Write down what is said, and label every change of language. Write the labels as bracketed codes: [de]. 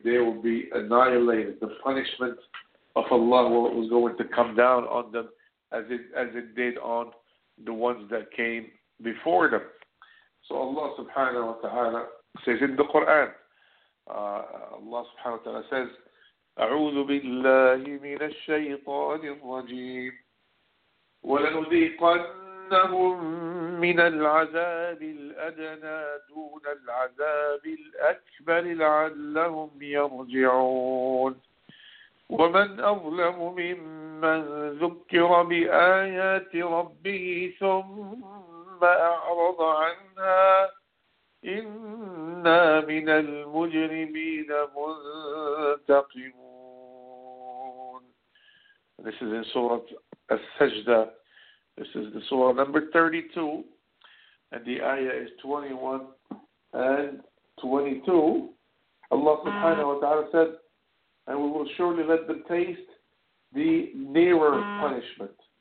[en] They will be annihilated. The punishment of Allah was going to come down on them as it did on the ones that came before them. So Allah subhanahu wa ta'ala says in the Quran, Allah subhanahu wa ta'ala says, [ar] أَعُوذُ بِاللَّهِ مِنَ الشَّيْطَانِ الرَّجِيمِ وَلَنُذِيقَنَّهُمْ مِنَ الْعَذَابِ الْأَدْنَى دُونَ الْعَذَابِ الْأَكْبَرِ لَعَلَّهُمْ يَرْجِعُونَ وَمَنْ أَظْلَمُ مِمَّنْ ذُكِّرَ بِآيَاتِ رَبِّهِ ثُمَّ أَعْرَضَ عَنْهَا إنا من المجرمين منتقمون. [en] This is in Surah Al-Sajda. This is the Surah number 32. And the ayah is 21 and 22. Allah subhanahu wa ta'ala said, and we will surely let them taste the nearer punishment.